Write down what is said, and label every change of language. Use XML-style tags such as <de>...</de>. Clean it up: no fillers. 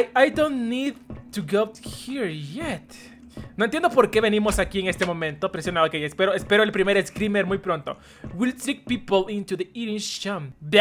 <en>I don't need to go here yet.</en> <es>No entiendo por qué venimos aquí en este momento. Presiona, ok, espero el primer screamer muy pronto.</es> <en>We'll trick people into the eating chum.</en>